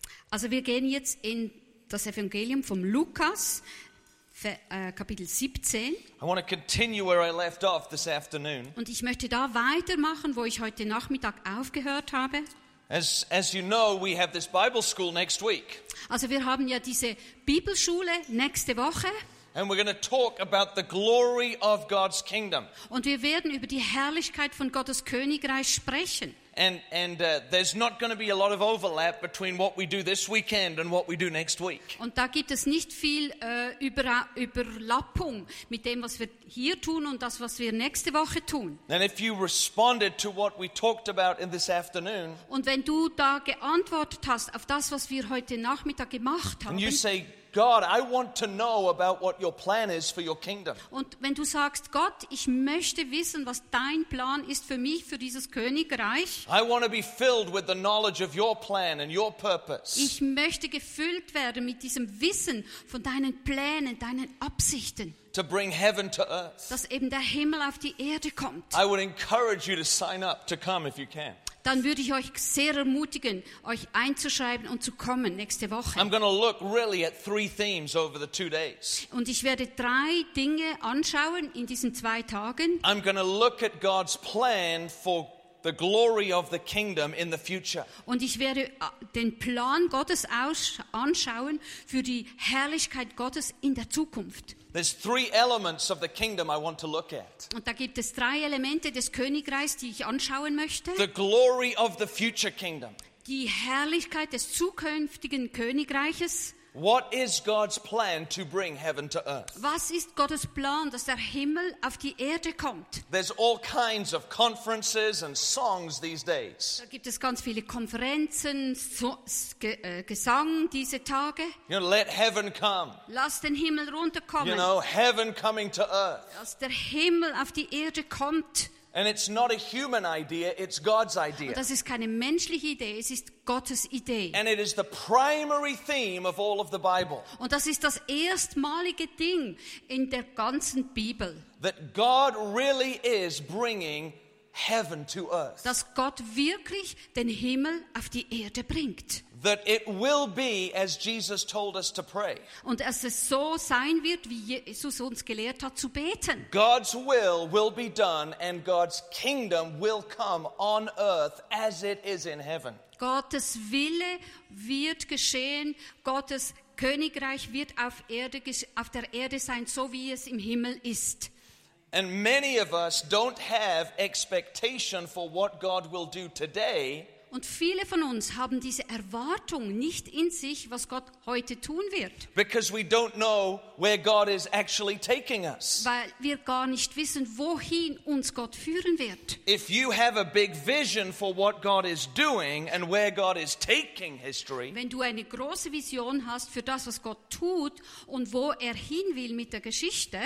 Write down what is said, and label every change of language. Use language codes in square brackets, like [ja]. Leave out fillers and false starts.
[de] Also wir gehen jetzt in das Evangelium vom Lukas, Kapitel 17. [en] I want to continue where I left off this afternoon. [de] Und ich möchte da weitermachen, wo ich heute Nachmittag aufgehört habe. [en] As you know, we have this Bible school next week. [de] Also wir haben ja diese Bibelschule nächste Woche. [en] And we're going to talk about the glory of God's kingdom. [de] Und wir werden über die Herrlichkeit von Gottes Königreich sprechen. [en] And there's not going to be a lot of overlap between what we do this weekend and what we do next week. [de] Und da gibt es nicht viel Überlappung mit dem, was wir hier tun und das, was wir nächste Woche tun. [en] And if you responded to what we talked about in this afternoon. [de] Und wenn du da geantwortet hast auf das, was wir heute Nachmittag gemacht haben. [en] And you say, God, I want to know about what your plan is for your kingdom. [de] Und wenn du sagst, Gott, ich möchte wissen, was dein Plan ist für mich, für dieses Königreich. [en] I want to be filled with the knowledge of your plan and your purpose. [de] Ich möchte gefüllt werden mit diesem Wissen von deinen Plänen, deinen Absichten. [en] To bring heaven to earth. [de] Dass eben der Himmel auf die Erde kommt. [en] I would encourage you to sign up to come if you can. [de] Dann würde ich euch sehr ermutigen, euch einzuschreiben und zu kommen nächste Woche. [en] I'm going to look really at three themes over the 2 days. [de] Und ich werde drei Dinge anschauen in diesen 2 Tagen. [en] I'm going to look at God's plan for the glory of the kingdom in the future. [de] Und ich werde den Plan Gottes anschauen für die Herrlichkeit Gottes in der Zukunft. [en] There's 3 elements of the kingdom I want to look at. [de] Und da gibt es 3 Elemente des Königreichs, die ich anschauen möchte. [en] The glory of the future kingdom. [de] Die Herrlichkeit des zukünftigen Königreiches. [en] What is God's plan to bring heaven to earth? [de] Was ist Gottes Plan, dass der Himmel auf die Erde kommt? [en] There's all kinds of conferences and songs these days. [de] Da gibt es ganz viele Konferenzen, Gesang diese Tage. [en] You know, let heaven come. [de] Lass den Himmel runterkommen. [en] You know, heaven coming to earth. [de] Dass der Himmel auf die Erde kommt. [en] And it's not a human idea, it's God's idea. [de] Und das ist keine menschliche Idee, es ist Gottes Idee. [en] And it is the primary theme of all of the Bible. [de] Und das ist das erstmalige Ding in der ganzen Bibel. [en] That God really is bringing heaven to earth. [de] Dass Gott wirklich den Himmel auf die Erde bringt. [en] That it will be as Jesus told us to pray. [de] Und dass es so sein wird, wie Jesus uns gelehrt hat zu beten. [en] God's will be done and God's kingdom will come on earth as it is in heaven. [de] Gottes Wille wird geschehen, Gottes Königreich wird auf der Erde sein, so wie es im Himmel ist. [en] And many of us don't have expectation for what God will do today. [de] Und viele von uns haben diese Erwartung nicht in sich, was Gott heute tun wird. [en] Because we don't know where God is actually taking us. [de] Weil wir gar nicht wissen, wohin uns Gott führen wird. [en] If you have a big vision for what God is doing and where God is taking history. [de] Wenn du eine große Vision hast für das, was Gott tut und wo er hin will mit der Geschichte.